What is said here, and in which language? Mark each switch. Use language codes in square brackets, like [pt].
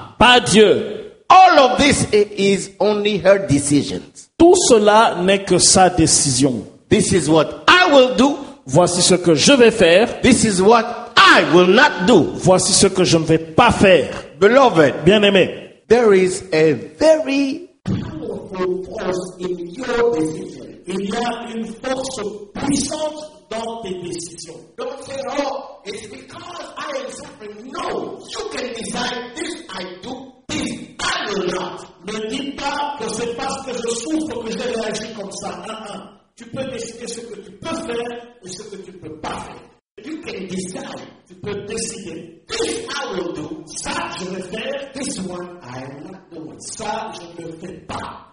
[fr] Pas Dieu. [en] All of this is only her decision. [fr] Tout cela n'est que sa décision. [en] This is what I will do. [fr] Voici ce que je vais faire. [en] This is what I will not do. [fr] Voici ce que je ne vais pas faire. [en] Beloved, [fr] bien-aimé, [en] there is a very powerful force in your decision. [fr] Il y a une force puissante dans tes décisions. [en] Don't say, oh, it's because I am suffering. No, you can decide this I do, this I will not. [fr] Ne dis pas que c'est parce que je souffre que j'ai réagi comme ça. Tu peux décider ce que tu peux faire et ce que tu ne peux pas faire. [en] You can decide. [fr] Tu peux décider. [en] This I will do. [fr] Ça, je vais faire. [en] This one, I am not doing. [fr] Ça, je ne le fais pas.